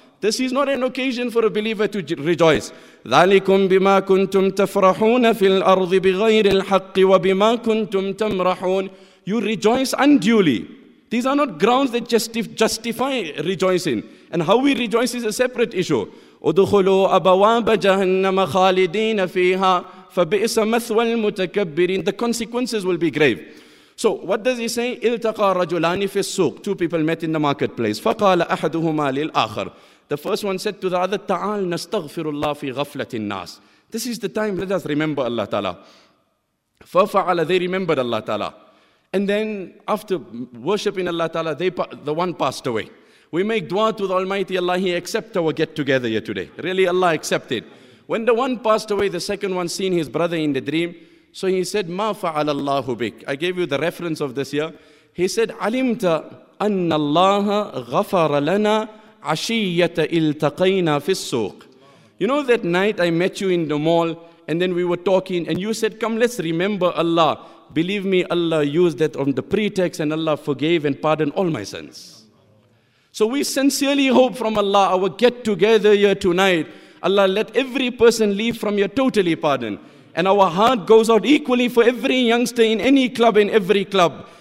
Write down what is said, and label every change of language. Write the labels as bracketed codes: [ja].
[en] This is not an occasion for a believer to rejoice. [ar] ذَلِكُمْ بِمَا كُنْتُمْ تَفْرَحُونَ فِي الْأَرْضِ بِغَيْرِ الْحَقِّ وَبِمَا كُنْتُمْ تَمْرَحُونَ. [en] You rejoice unduly. These are not grounds that justify rejoicing. And how we rejoice is a separate issue. [ar] أُدْخُلُوا أَبَوَابَ جَهَنَّمَ خَالِدِينَ فِيهَا فَبِئْسَ مَثْوَى الْمُتَكَبِّرِينَ. [en] The consequences will be grave. So what does he say? [ar] إِلْتَقَى رَجُلَانِ فِي السُّوقِ. [en] Two people met in the marketplace. [ar] فَقَالَ أَحَدُهُمَا لِلْآخَرِ. [en] The first one said to the other, [ar] تَعَالْ نَسْتَغْفِرُ اللَّهِ فِي غَفْلَةِ النَّاسِ. [en] This is the time, let us remember Allah Ta'ala. [ar] فَفَعَلَ. [en] They remembered Allah Ta'ala. And then after worshipping Allah Ta'ala, the one passed away. We make dua to the Almighty Allah, He accept our get together here today. Really, Allah accepted. When the one passed away, the second one seen his brother in the dream. So he said, [ar] مَا فَعَلَ اللَّهُ بِكَ. [en] I gave you the reference of this here. He said, [ar] عَلِمْتَ أَنَّ اللَّهَ غَفَرَ لَنَا عَشِيَّةَ إِلْتَقَيْنَا فِي السُّوقِ. [en] You know that night I met you in the mall and then we were talking and you said, come, let's remember Allah. Believe me, Allah used that on the pretext and Allah forgave and pardoned all my sins. So we sincerely hope from Allah our get together here tonight. Allah, let every person leave from here totally pardoned. And our heart goes out equally for every youngster in any club, in every club.